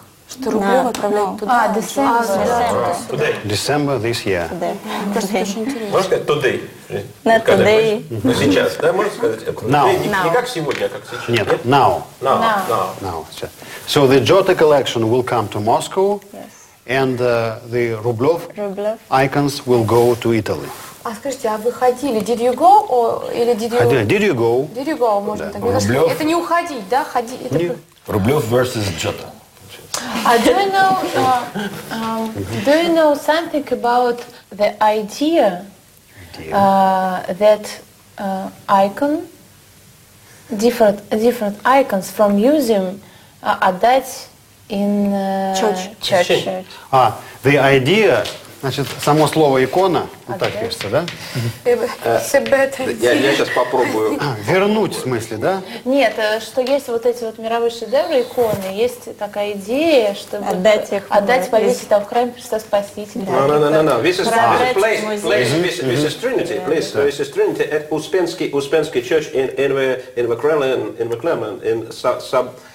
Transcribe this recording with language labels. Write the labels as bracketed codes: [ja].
[ru] Что Рублёв отправляет туда? [en] А, December. December this year. [ru] Можно сказать today? [en] Not today. [ru] Но сейчас, да, можно сказать? [en] Now. [ru] Не как сегодня, а как сейчас. Нет, now. [en] Now. So the Giotto collection will come to Moscow. Yes. And the Рублёв icons will go to Italy. [ru] А скажите, а вы ходили? [en] Did you go or did you? Did you go? Did you go? [ru] Можно так сказать. Это не уходить, да? Ходи. Это... [en] Рублев versus Giotto. Do you know something about the idea that icon different icons from museum отдать in church? The idea. [ru] Значит, само слово икона, вот так пишется, да? Я сейчас попробую. Вернуть, в смысле, да? Нет, что есть вот эти вот мировые шедевры, иконы, есть такая идея, чтобы отдать повесить там в храме Христа Спасителя. [en] No. This is Trinity at Успенский church in the Kremlin, in sub.